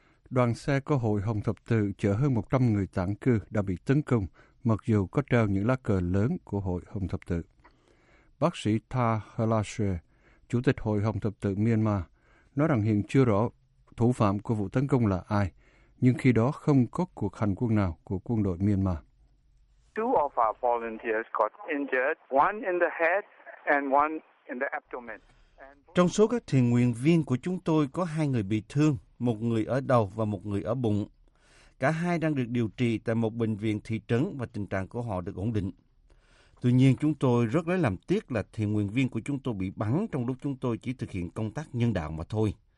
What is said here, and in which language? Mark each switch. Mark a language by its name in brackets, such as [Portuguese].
[Vietnamese] Đoàn xe của Hội Hồng Thập Tự chở hơn 100 người tản cư đã bị tấn công, mặc dù có treo những lá cờ lớn của Hội Hồng Thập Tự. Bác sĩ Tha Halashe, Chủ tịch Hội Hồng Thập Tự Myanmar, nói rằng hiện chưa rõ thủ phạm của vụ tấn công là ai, nhưng khi đó không có cuộc hành quân nào của quân đội Myanmar. [English] Two of our volunteers got injured, one in the head and one in the abdomen. [Vietnamese] Trong số các thiền nguyện viên của chúng tôi có hai người bị thương, một người ở đầu và một người ở bụng. Cả hai đang được điều trị tại một bệnh viện thị trấn và tình trạng của họ được ổn định. Tuy nhiên, chúng tôi rất lấy làm tiếc là thiền nguyện viên của chúng tôi bị bắn trong lúc chúng tôi chỉ thực hiện công tác nhân đạo mà thôi.